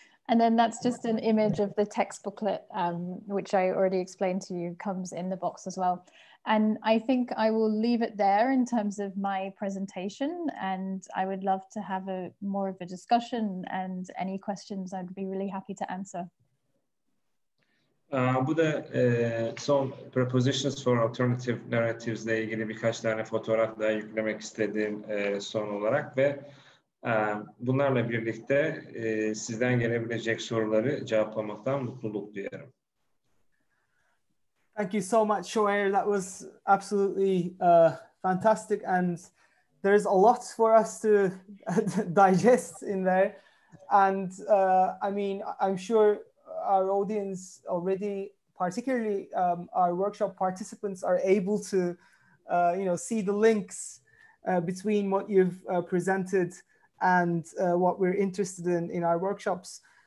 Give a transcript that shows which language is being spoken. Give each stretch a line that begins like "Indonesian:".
English: And then that's just an image of the text booklet, which I already explained to you, comes in the box as well. And I think I will leave it there in terms of my presentation. And I would love to have a more of a discussion and any questions I'd be really happy to answer.
Turkish: Bu da son Propositions for Alternative Narratives ile ilgili birkaç tane fotoğraf daha yüklemek istediğim son olarak ve bunlarla birlikte sizden gelebilecek soruları cevaplamaktan mutluluk duyarım.
English: Thank you so much, Shoair. That was absolutely fantastic, and there's a lot for us to digest in there. And I mean, I'm sure our audience already, particularly our workshop participants, are able to, you know, see the links between what you've presented and what we're interested in our workshops.